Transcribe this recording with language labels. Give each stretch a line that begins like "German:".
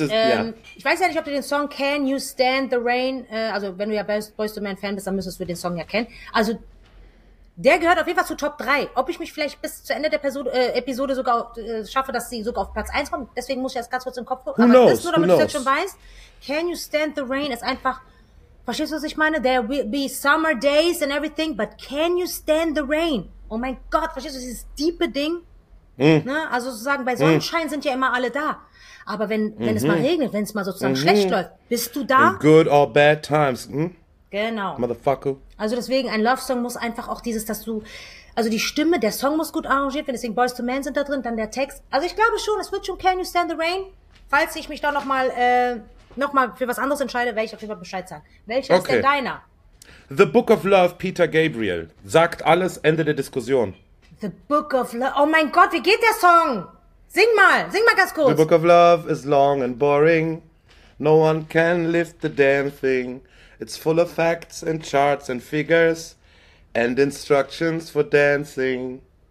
German: ich weiß ja nicht, ob du den Song Can You Stand the Rain, also wenn du ja Boys to Men Fan bist, dann müsstest du den Song ja kennen. Also der gehört auf jeden Fall zu Top 3. Ob ich mich vielleicht bis zu Ende der Episode sogar schaffe, dass sie sogar auf Platz 1 kommt. Deswegen muss ich das ganz kurz im Kopf holen. Aber bist du, damit du jetzt schon weißt, Can You Stand the Rain ist einfach, verstehst du, was ich meine?
English: There will be summer days and everything, but can you stand the rain?
German: Oh mein Gott, verstehst du, dieses tiefe Ding? Mhm. Ne? Also sozusagen, bei Sonnenschein sind ja immer alle da. Aber wenn es mal regnet, wenn es mal sozusagen schlecht läuft, bist du da?
English: In good or bad times,
German: Genau.
English: Motherfucker.
German: Also deswegen, ein Love-Song muss einfach auch dieses, dass du, also die Stimme, der Song muss gut arrangiert werden, deswegen Boys to Men sind da drin, dann der Text. Also ich glaube schon, es wird schon Can You Stand the Rain? Falls ich mich da nochmal für was anderes entscheide, werde ich auf jeden Fall Bescheid sagen. Welcher okay. ist denn deiner?
English: The Book of Love, Peter Gabriel.
German: Sagt alles, Ende der Diskussion. The Book of Love, oh mein Gott, wie geht der Song? Sing mal ganz kurz.
English: The Book of Love is long and boring. No one can lift the damn thing. It's full of facts and charts and figures and instructions for dancing.